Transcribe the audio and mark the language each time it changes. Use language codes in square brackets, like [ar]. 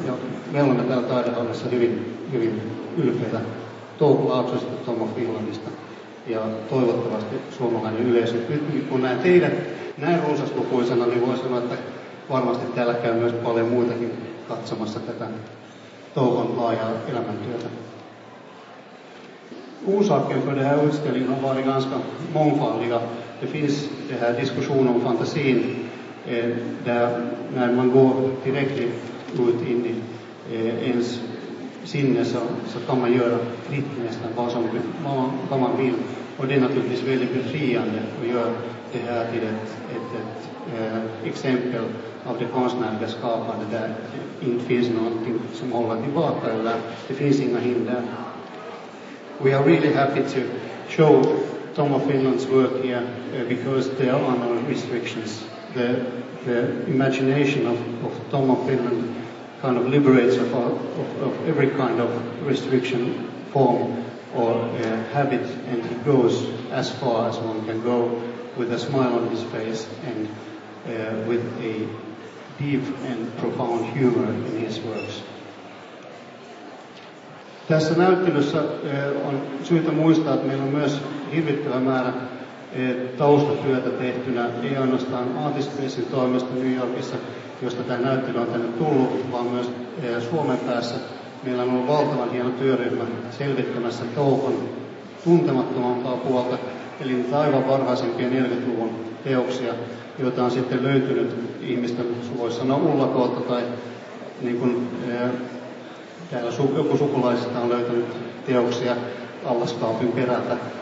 [fi] Ja me olemme täällä taidehallissa hyvin, hyvin ylpeitä Touko Laaksosta, Tomo Finlandista ja toivottavasti suomalainen yleisö. Nyt kun näen teidät näin runsaslukuisena, niin voi sanoa, että varmasti täällä käy myös paljon muitakin katsomassa tätä Toukon laajaa elämäntyötä. [sv] Orsaken för den här utställningen har varit ganska mångfaldiga. Det finns den här diskussionen om fantasin där när man går direkt ut in i ens sinne så kan man göra fritt nästan vad man vill. Och det är naturligtvis väldigt befriande att göra det här till ett exempel av det konstnärliga skapande där det inte finns någonting som håller tillbaka eller det finns inga hinder. [en] We are really happy to show Tom of Finland's work here because there are no restrictions. The imagination of Tom of Finland kind of liberates of every kind of restriction form or habit, and he goes as far as one can go with a smile on his face and with a deep and profound humor in his works. [fi] Tässä näyttelyssä on syytä muistaa, että meillä on myös hirvittävä määrä taustatyötä tehtynä, ei ainoastaan Artispacen toimesta New Yorkissa, josta tämä näyttely on tänne tullut, vaan myös Suomen päässä. Meillä on ollut valtavan hieno työryhmä selvittämässä Toukon tuntemattomampaa puolta, eli aivan varhaisempia 40-luvun teoksia, joita on sitten löytynyt ihmisten, voisi sanoa ullakoota tai niin kuin täällä joku sukulaisista on löytänyt teoksia allaskaapin perältä.